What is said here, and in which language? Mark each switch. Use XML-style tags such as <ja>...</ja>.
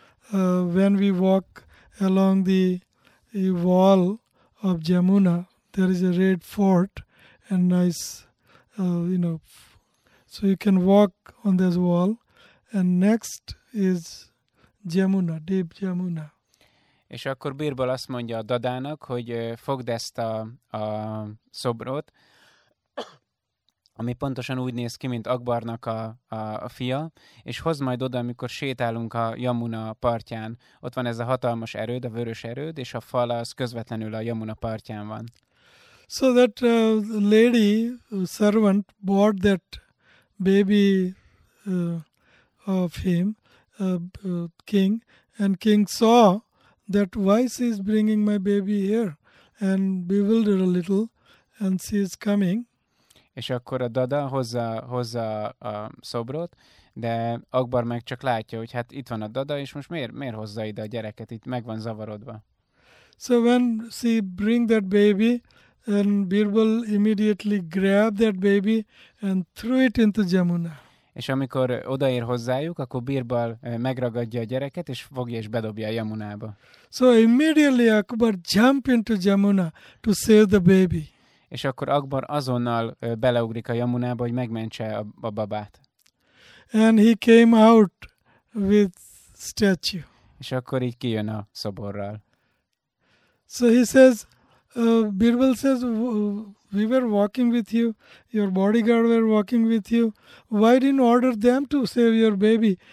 <en>when we walk along the wall of Jamuna, there is a red fort and nice, so you can walk on this wall. And next is Jamuna, deep Jamuna.</en> <hu>És akkor Birbal azt mondja a Dadának, hogy fogd ezt a szobrot, ami pontosan úgy néz ki, mint Akbarnak a fia, és hozd majd oda, amikor sétálunk a Jamuna partján. Ott van ez a hatalmas erőd, a vörös erőd, és a fal az közvetlenül a Jamuna partján van.</hu> <en>So that lady, servant, bought that baby of him, king, and king saw that why she is bringing my baby here, and bewildered a little, and she is coming.</en> <hu>És akkor a Dada hozza a szobrot, de Akbar meg csak látja, hogy hát itt van a Dada, és most miért hozza ide a gyereket, itt meg van zavarodva.</hu> <en>So when she bring that baby, and Birbal immediately grabbed that baby and threw it into Jamuna.</en> <hu>És amikor odaér hozzájuk, akkor Birbal megragadja a gyereket, és fogja és bedobja a Jamunába.</hu> <en>So immediately Akbar jumped into Jamuna to save the baby.</en> <hu>És akkor Akbar azonnal beleugrik a Jamunába, hogy megmentse a babát.</hu> <en>And he came out with statue.</en> <hu>És akkor így kijön a szoborral.</hu> <en>So he says, Birbal says, we were walking with you, your bodyguard were walking with you. Why didn't order them to save your baby?</en>